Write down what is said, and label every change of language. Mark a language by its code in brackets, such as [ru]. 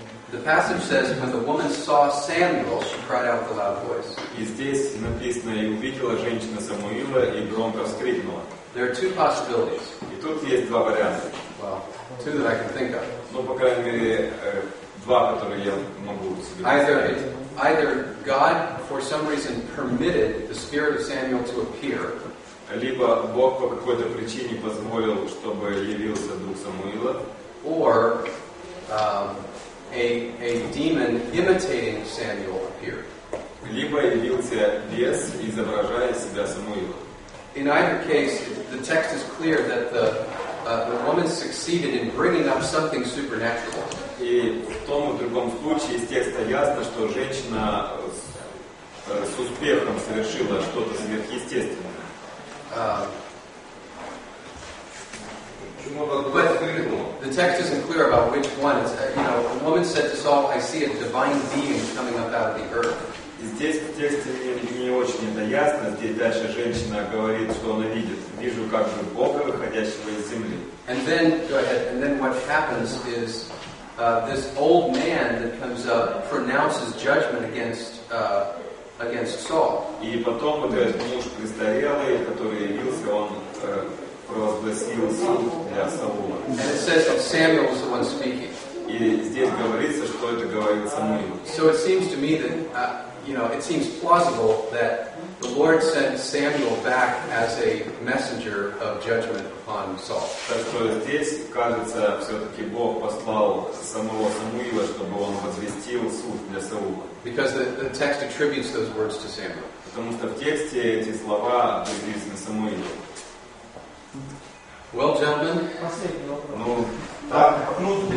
[en] The passage says, when the woman saw Samuel, she cried out with a loud voice. [ru] И здесь написано, и увидела женщина Самуила и громко вскрикнула. [en] There are two possibilities. [ru] И тут есть два варианта. [en] Well, two that I can think of. [ru] Ну, по крайней мере, два, которые я могу себе представить. [en] Either God, for some reason, permitted the spirit of Samuel to appear. [ru] Либо Бог по какой-то причине позволил, чтобы явился дух Самуила. [en] Or a demon imitating Samuel appeared. [ru] Либо явился бес, изображая себя Самуилом. [en] In either case, the text is clear that the woman succeeded in bringing up something supernatural. [ru] И в том и в другом случае из текста ясно, что женщина с успехом совершила что-то сверхъестественное. [en] But the text isn't clear about which one. It's, you know, the woman said to Saul, "I see a divine being coming up out of the earth." [ru] Здесь в тексте не очень это ясно. Здесь дальше женщина говорит, что она видит. Вижу как же Бога, выходящего из земли. [en] And then, go ahead. And then what happens is this old man that comes up pronounces judgment against Saul. [ru] И потом этот муж престарелый, который явился, он провозгласил суд для Саула. [en] And it says that Samuel was the one speaking. [ru] И здесь говорится, что это говорит Самуил. [en] So it seems to me that you know, it seems plausible that the Lord sent Samuel back as a messenger of judgment upon Saul. [ru] Так что здесь кажется, все-таки Бог послал самого Самуила, чтобы он возвестил суд для Саула. [en] Because the text attributes those words to Samuel. [ru] Потому что в тексте эти слова приписаны Самуилу. [en] Well, gentlemen.